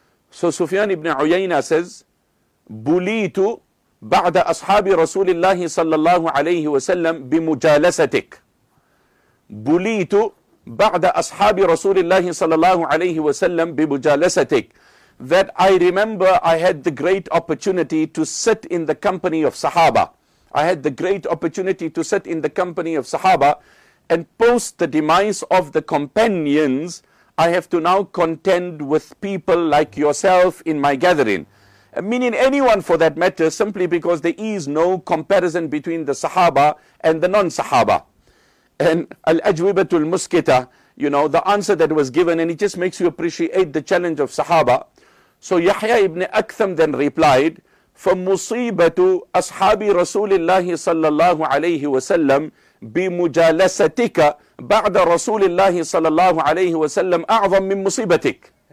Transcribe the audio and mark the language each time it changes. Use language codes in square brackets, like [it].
[en] So Sufyan ibn Uyayna says, [ar] bulitu بعد أصحاب رسول الله صلى الله عليه وسلم بمجالستك. بليت بعد أصحاب رسول الله صلى الله عليه وسلم بمجالستك. [en] That I remember I had the great opportunity to sit in the company of Sahaba. I had the great opportunity to sit in the company of Sahaba, and post the demise of the companions, I have to now contend with people like yourself in my gathering. Meaning anyone for that matter, simply because there is no comparison between the Sahaba and the non-Sahaba. And Al-Ajwibatul Muskita, you know, the answer that was given, and it just makes you appreciate the challenge of Sahaba. So Yahya ibn Aktham then replied, [ar] فَمُصِيبَةُ أَصْحَابِ رَسُولِ اللَّهِ صَلَّى اللَّهُ عَلَيْهِ وَسَلَّمْ بِمُجَالَسَتِكَ بَعْدَ رَسُولِ اللَّهِ صَلَّى اللَّهُ عَلَيْهِ وَسَلَّمْ أَعْظَمْ مِنْ مُصِيبَتِكَ.